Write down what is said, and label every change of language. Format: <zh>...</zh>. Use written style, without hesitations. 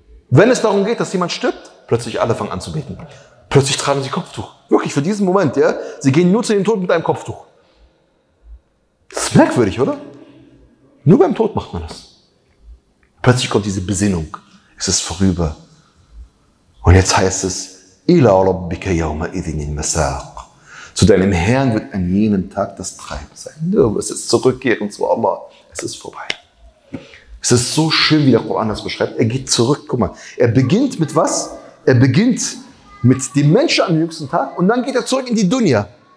<de>Wenn es darum geht, dass jemand stirbt, plötzlich alle fangen an zu beten. Plötzlich tragen sie Kopftuch. Wirklich, für diesen Moment, ja. Sie gehen nur zu dem Tod mit einem Kopftuch. Das ist merkwürdig, oder? Nur beim Tod macht man das. Plötzlich kommt diese Besinnung. Es ist vorüber. Und jetzt heißt es,</de> <ar>إِلَىٰ رَبِّكَ يَوْمَ إِذِنِ الْمَسَاقُ.</ar> <de>Zu deinem Herrn wird an jenem Tag das Treiben sein. Du wirst jetzt zurückkehren zu Allah. Es ist vorbei. Es ist so schön, wie der Koran das beschreibt. Er geht zurück. Guck mal, er beginnt mit was? Er beginnt mit dem Menschen am jüngsten Tag und dann geht er zurück in die Dunya.</de>